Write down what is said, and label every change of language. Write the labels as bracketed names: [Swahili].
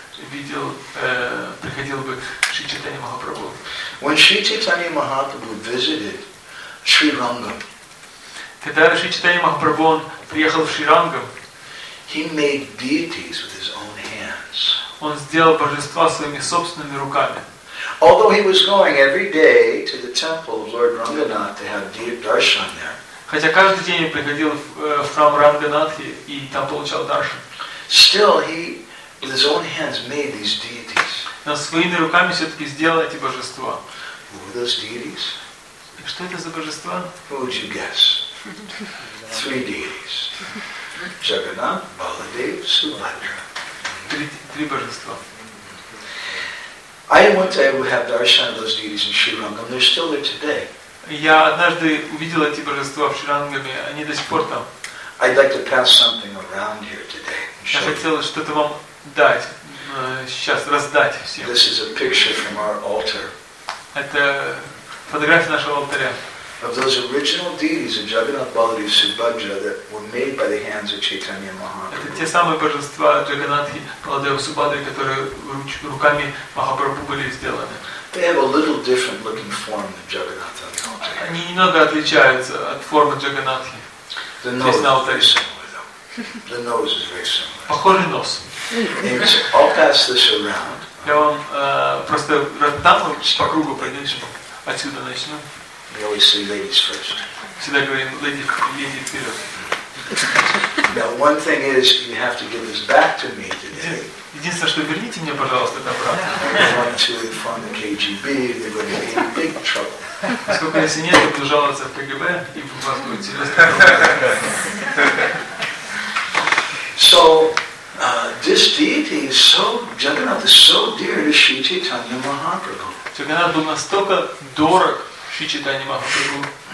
[Russian] видел, приходил бы Шри Чайтанья Махапрабху. [English] When Shri Chaitanya Mahaprabhu visited Sri Rangam, [Russian] когда Шри Чайтанья Махапрабху приехал в Шри Рангам, [English] he made deities with his own hands. [Russian] Он сделал божества своими собственными руками. [English] Although he was going every day to the temple of Lord Ranganath to have deep darshan there. [Russian] Хотя каждый день он приходил в храм Ранганатхи и там получал даршан. [English] Still he with his own hands made these deities. [Russian] Но своими руками все-таки сделал эти божества. [English] Who are those deities? [Russian] Что это за божества? [English] Who would you guess? Three deities. Jagannath, Baladev, Subhadra. [Russian] Три божества. [English] I want to have darshan of those deities in Sri Rangam. They're still there today. [Russian] Я однажды увидел эти божества в Шри Рангаме, они до сих пор там. [English] I'd like to pass something around here today. [Russian] Я хотел что-то вам дать, сейчас раздать всем. [English] This is a picture from our altar. [Russian] Это фотография нашего алтаря. [English] Of those original deities of Jagannath, Baladev, Subhadra that were made by the hands of Chaitanya Mahaprabhu. [Russian] Это те самые божества Джаганатхи, Баладева, Субхадры, которые руками Махапрабху были сделаны. [English] They have a little different looking form than Jagannath. [Russian] Они немного отличаются от формы Джаганатхи. [English] The nose is very similar, though. The nose is very similar. [Russian] Похожий нос. [English] I'll pass this around. [Russian] Я вам просто дам по кругу пройдемся, отсюда начнем. [English] We always say ladies first. [Russian] Всегда говорим, леди вперед. [English] Now one thing is, you have to give this back to me today. [Russian] Единственное, что верните мне, пожалуйста, это обратно. [English] They want to inform the KGB, they're going to be in big trouble. [Russian] Сколько если нет, то буду жаловаться в КГБ и попасть. [English] So, this deity is so, Jagannath is so dear to Sri Chaitanya Mahaprabhu. [Russian] Jagannath был настолько дорог Шри Чайтанья Махапрабху.